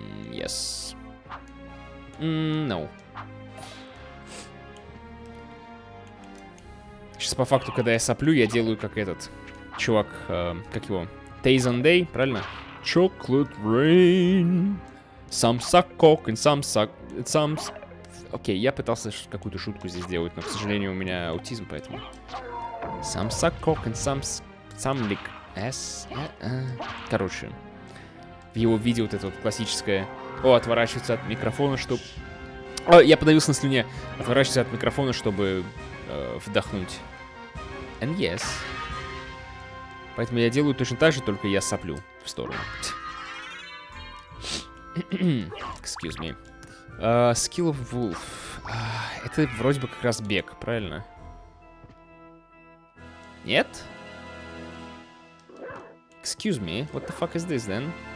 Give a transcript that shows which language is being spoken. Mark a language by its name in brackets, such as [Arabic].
[English] Yes. No. [Russian] Сейчас по факту, когда я соплю, я делаю как этот чувак, как его? Tazen Day, правильно? Chocolate rain. [English] Some suck cock and some suck... [Russian] Окей, я пытался какую-то шутку здесь сделать, но, к сожалению, у меня аутизм, поэтому... [English] Some suck cock and some lick ass. [Russian] Короче, в его виде вот это вот классическое... О, отворачивается от микрофона, чтобы... О, я подавился на слюне. Отворачивается от микрофона, чтобы вдохнуть. [English] And yes. [Russian] Поэтому я делаю точно так же, только я соплю в сторону. [English] Excuse me. Skill of Wolf. [Russian] Это вроде бы как раз бег, правильно? Нет? [English] Excuse me, what the fuck is this then?